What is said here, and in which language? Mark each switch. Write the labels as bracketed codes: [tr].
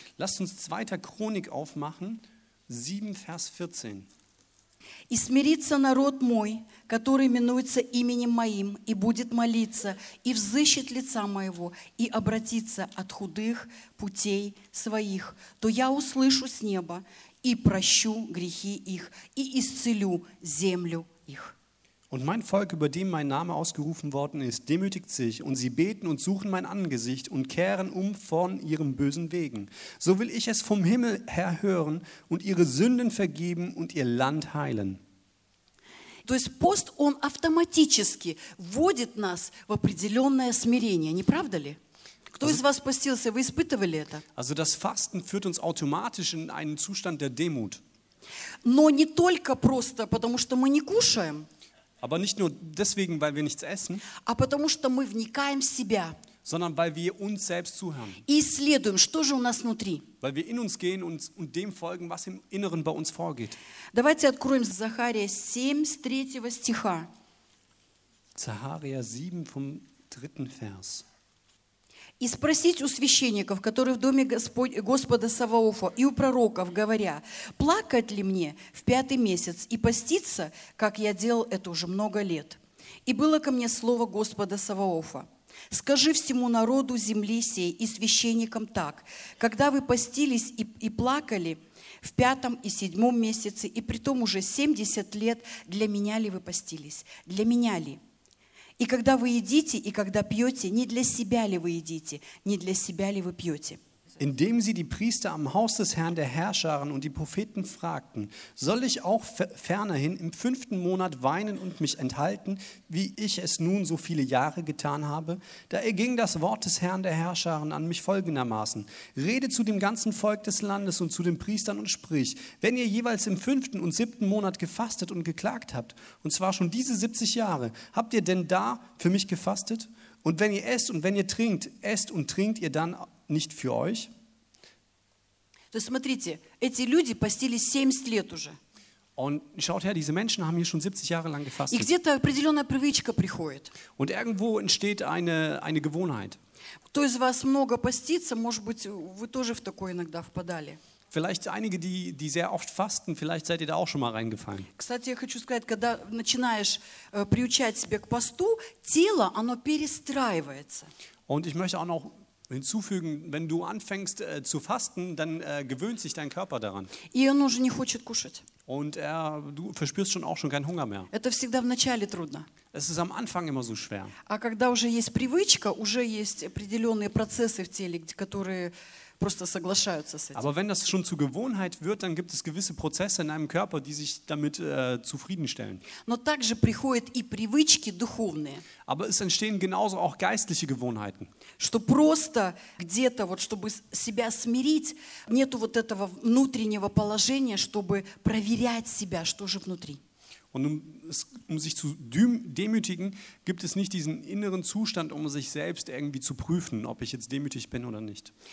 [de] Lasst uns 2. Chronik aufmachen, 7 Vers 14. [ru] И смирится народ мой, который именуется именем моим, и будет молиться, и взыщет лица моего, и обратится от худых путей своих, то я услышу с неба и прощу грехи их и исцелю землю их. [de] Und mein Volk, über dem mein Name ausgerufen worden ist, demütigt sich, und sie beten und suchen mein Angesicht und kehren um von ihren bösen Wegen. So will ich es vom Himmel her hören und ihre Sünden vergeben und ihr Land heilen. [ru] То есть пост, он автоматически вводит нас в определенное смирение, не правда ли? Кто из вас постился, вы испытывали это? [de] Also das Fasten führt uns automatisch in einen Zustand der Demut. [ru] Но не только просто, потому что мы не кушаем. [de] Aber nicht nur deswegen, weil wir nichts essen, [ru] а потому что мы вникаем в себя, [de] sondern weil wir uns selbst zuhören. [ru] И исследуем, что же у нас внутри. [de] Weil wir in uns gehen und dem folgen, was im Inneren bei uns vorgeht. [ru] Давайте откроем Захария 7, с 3 стиха. [de] Захария 7, vom 3. Vers. [ru] И спросить у священников, которые в доме Господа Саваофа, и у пророков, говоря, плакать ли мне в 5-й месяц и поститься, как я делал это уже много лет. И было ко мне слово Господа Саваофа. Скажи всему народу земли сей и священникам так, когда вы постились и плакали в 5-м и 7-м месяце, и притом уже 70 лет, для меня ли вы постились? Для меня ли? И когда вы едите, и когда пьете, не для себя ли вы едите, не для себя ли вы пьете? [de] Indem sie die Priester am Haus des Herrn der Herrscharen und die Propheten fragten, soll ich auch fernerhin im 5. Monat weinen und mich enthalten, wie ich es nun so viele Jahre getan habe? Da erging das Wort des Herrn der Herrscharen an mich folgendermaßen. Rede zu dem ganzen Volk des Landes und zu den Priestern und sprich, wenn ihr jeweils im 5. und 7. Monat gefastet und geklagt habt, und zwar schon diese 70 Jahre, habt ihr denn da für mich gefastet? Und wenn ihr esst und wenn ihr trinkt, esst und trinkt ihr dann nicht für euch? [ru] То есть смотрите, эти люди постились 70 лет уже. [de] Und schaut her, diese Menschen haben hier schon 70 Jahre lang gefastet. [ru] И где-то определенная привычка приходит. [de] Und irgendwo entsteht eine Gewohnheit. [ru] Кто из вас много постится, может быть, вы тоже в такое иногда впадали. [de] Vielleicht einige, die sehr oft fasten, vielleicht seid ihr da auch schon mal reingefallen. [ru] Кстати, я хочу сказать, когда начинаешь приучать себя к посту, тело, оно перестраивается. [de] Und ich möchte auch noch hinzufügen, wenn du anfängst zu fasten, dann gewöhnt sich dein Körper daran. [ru] И он уже не хочет кушать. [de] Und du verspürst schon auch schon keinen Hunger mehr. [ru] Это всегда в начале трудно. [de] Es ist am Anfang immer so schwer. [ru] А когда уже есть привычка, уже есть определенные процессы в теле, которые просто соглашаются с этим. [de] Aber wenn das schon zu Gewohnheit wird, dann gibt es gewisse Prozesse in einem Körper, die sich damit zufriedenstellen. [ru] Но также приходят и привычки духовные. [de] Aber es entstehen genauso auch geistliche Gewohnheiten. [ru] Что просто где-то вот, чтобы себя смирить, нету вот этого внутреннего положения, чтобы проверять себя, что же внутри. [de] Und sich zu demütigen, gibt es nicht diesen inneren Zustand, sich selbst irgendwie zu prüfen, ob ich jetzt demütig bin oder nicht.